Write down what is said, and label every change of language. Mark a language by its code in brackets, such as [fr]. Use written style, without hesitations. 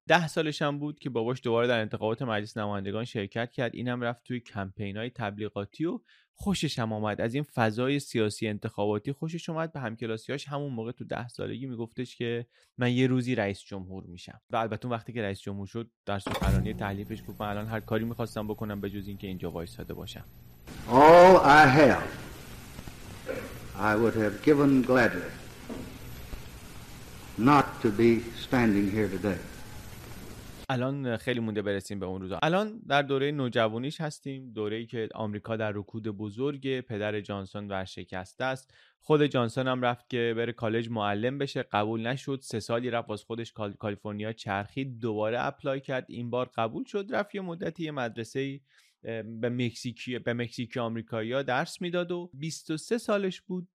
[fa] 10 هم بود که باباش دوباره در انتخابات مجلس نمایندگان شرکت کرد، اینم رفت توی کمپینای تبلیغاتی و خوشش هم آمد از این فضای سیاسی انتخاباتی خوشش آمد. به همکلاسیاش همون موقع تو 10 میگفتش که من یه روزی رئیس جمهور میشم، و البته وقتی که رئیس جمهور شد در سخنرانی تحلیفش گفت من الان هر کاری میخواستم بکنم به جز اینکه اینجا وایساده باشم. [en] All I have I would have given gladly not to be standing here today. [fa] الان خیلی مونده برسیم به اون روزا. الان در دوره نوجوانیش هستیم، دوره‌ای که آمریکا در رکود بزرگه، پدر جانسون ورشکسته است، خود جانسون هم رفت که بره کالج معلم بشه، قبول نشد، 3 رفت واسه خودش کالیفرنیا چرخید، دوباره اپلای کرد، این بار قبول شد، رفت یه مدتی یه مدرسه به مکزیکی آمریکایی‌ها درس میداد و 23 سالش بود.